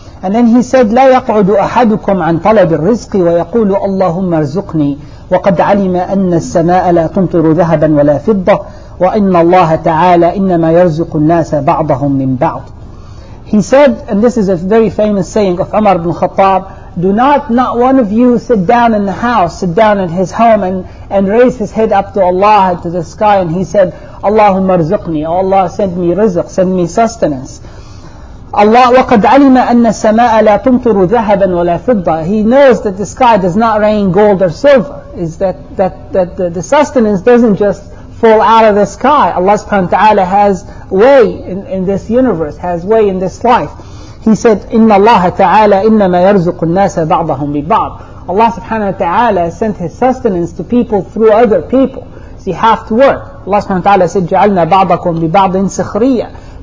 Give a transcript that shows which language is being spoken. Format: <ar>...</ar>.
<en>And then he said,</en> <ar>لا يقعد أحدكم عن طلب الرزق ويقول اللهم ارزقني وقد علم أن السماء لا تمطر ذهبا ولا فضة وإن الله تعالى إنما يرزق الناس بعضهم من بعض.</ar> <en>He said, and this is a very famous saying of Umar ibn Khattab, do not one of you sit down in the house, sit down in his home and raise his head up to Allah and to the sky. And he said,</en> <ar>اللهم ارزقني,</ar> <en>oh Allah, send me rizq, send me sustenance.</en> <ar>Allah, وَقَدْ عَلِمَ أَنَّ السَّمَاءَ لَا تُمْطُرُ ذَهَبًا وَلَا فِضَّةً.</ar> <en>He knows that the sky does not rain gold or silver. Is that the sustenance doesn't just fall out of the sky. Allah subhanahu wa ta'ala has way in this universe, has way in this life. He said,</en> <ar>إِنَّ اللَّهَ تَعَالَى إِنَّمَا يَرْزُقُ النَّاسَ بَعْضَهُمْ بِبَعْضٍ.</ar> <en>Allah subhanahu wa ta'ala sent his sustenance to people through other people. So you have to work. Allah subhanahu wa ta'ala said,</en> <ar>جَعَلْنَا بَعْضَكُمْ بِبَعْضٍ سِخْرِيًا.</ar>